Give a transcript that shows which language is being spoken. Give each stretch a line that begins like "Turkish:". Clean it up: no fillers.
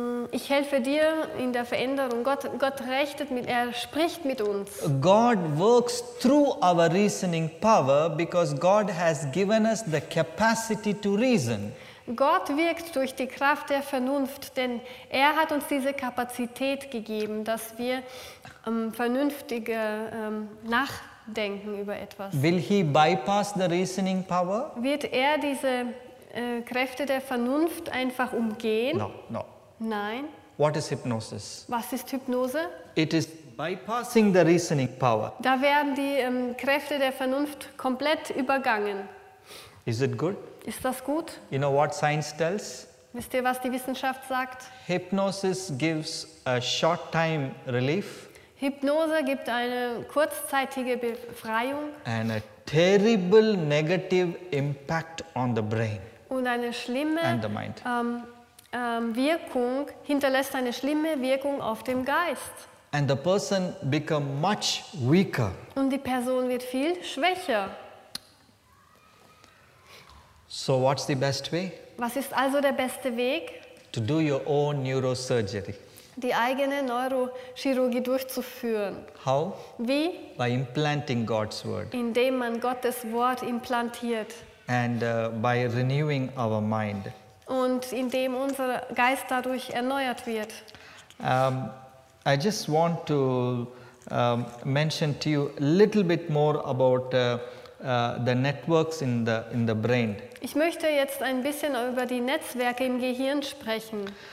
German: Ich helfe dir in der Veränderung. Gott rechtet mit, er spricht mit uns.
English: God works through our reasoning power because God has given us the capacity to reason.
German: Gott wirkt durch die Kraft der Vernunft, denn er hat uns diese Kapazität gegeben, dass wir vernünftige nachdenken über etwas.
English: Will he bypass the reasoning power?
German: Wird er diese Kräfte der Vernunft einfach umgehen?
English: No.
German: Nein.
English: What is hypnosis?
German: Was ist Hypnose?
English: It is bypassing the reasoning power.
German: Da werden die Kräfte der Vernunft komplett übergangen.
English: Is it good?
German: Ist das gut?
English: You know what science tells?
German: Wisst ihr, was die Wissenschaft sagt?
English: Hypnosis gives a short time relief.
German: Hypnose gibt eine kurzzeitige Befreiung.
English: And a terrible negative impact on the brain.
German: Und eine schlimme
English: and the mind.
German: Wirkung hinterlässt eine schlimme Wirkung auf dem Geist.
English: And the person become much weaker.
German: Und die Person wird viel schwächer.
English: So what's the best way?
German: Was ist also der beste Weg?
English: To do your own neurosurgery.
German: Die eigene Neurochirurgie durchzuführen.
English: How?
German: Wie?
English: By implanting God's word.
German: Indem man Gottes Wort implantiert.
English: And by renewing our mind.
German: Und indem unser Geist dadurch erneuert wird.
English: I just want to mention to you a little bit more about the networks in the brain.
German: Ich möchte jetzt ein bisschen über die Netzwerke im Gehirn sprechen.